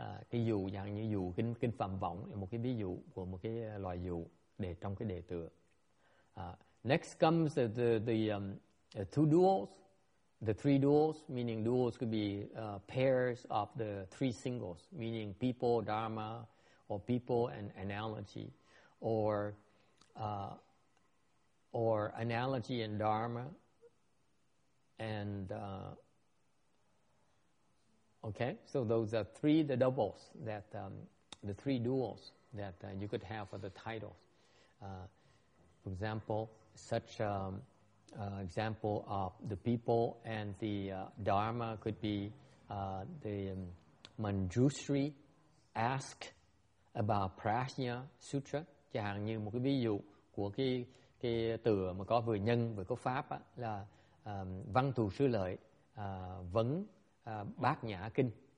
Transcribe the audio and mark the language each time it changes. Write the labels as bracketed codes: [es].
[vi] Cái dụ dạng như dụ kinh phạm vọng là một cái ví dụ của một cái loài dụ để trong cái đề tựa. [en] Next comes the two duals, the three duals, meaning duals could be pairs of the three singles, meaning people, dharma, or people and analogy, or analogy and dharma, and okay, so those are three, the doubles, that the three duals that you could have for the titles. For example, such example of the people and the dharma could be the Manjushri ask about Prajna Sutra, [vi] chẳng hạn như một cái ví dụ của cái tựa mà có vừa nhân vừa có pháp á, là Văn Thù Sư Lợi vấn Bát Nhã Kinh.